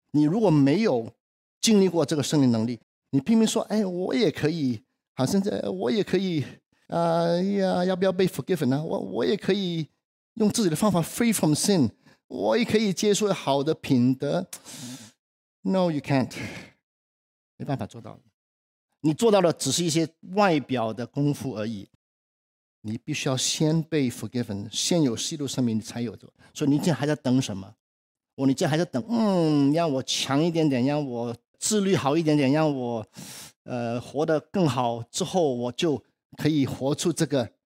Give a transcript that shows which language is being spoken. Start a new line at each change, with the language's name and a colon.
Chinese: 你如果没有经历过这个圣灵能力，你拼命说，哎，我也可以，好像在我也可以，要不要被 forgiven 呢，我也可以用自己的方法
English: free from sin，
Chinese: 我也可以接受好的品德。
English: No, you can't，
Chinese: 没办法做到。你做到的只是一些外表的功夫而已。你必须要先被 forgiven， 先有基督生命，你才有做。所以你现在还在等什么？你现在还在等，让我强一点点，让我自律好一点点，让我活得更好，之后我就可以活出这个。